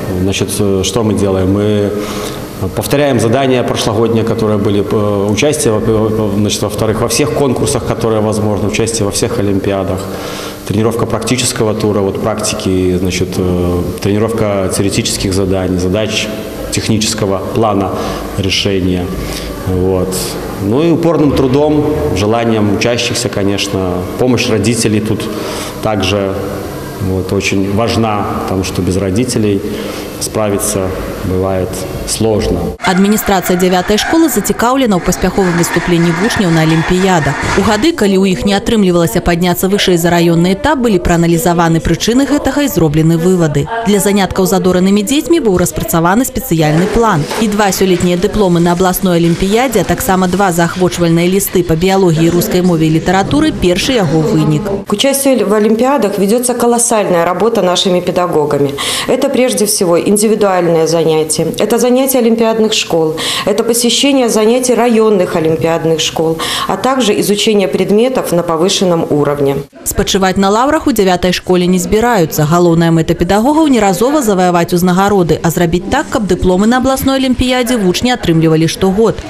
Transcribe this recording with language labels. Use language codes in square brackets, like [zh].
[ru] Значит, что мы делаем? Мы повторяем задания прошлогодние, которые были, участие, значит, во-вторых, во всех конкурсах, которые возможны, участие во всех олимпиадах, тренировка практического тура, вот практики, значит, тренировка теоретических заданий, задач технического плана решения. Вот. Ну и упорным трудом, желанием учащихся, конечно, помощь родителей тут также вот, очень важна, потому что без родителей справиться бывает сложно. [be] Администрация 9-й школы зацікаўлена ў паспяховым выступленні вучняў на олімпіядах. У гады, калі ў іх не атрымлівалася падняцца вышэй за раённы этап, былі прааналізаваны прычыны гэтага і зроблены вывады. Для заняткаў з адораными дзецьмі быў распрацаваны спецыяльны план. І два сёлетнія дыпломы на абласной олімпіядзе, а таксама два заахвочвальныя лісты па біялогіі, рускай мове і літаратуры – першы яго вынік. [ru] К участию в [be] олімпіадах ведзецца каласальная работа нашымі педагогамі. [ru] Это прежде всего индивидуальное занятие. Это занятие олимпиадных школ, это посещение занятий районных олимпиадных школ, а также изучение предметов на повышенном уровне. Спочивать на лаврах у 9-й школе не собираются. Головная мета педагогов – не разово завоевать узнагороды, а сделать так, как дипломы на областной олимпиаде вучни отримливали штогод.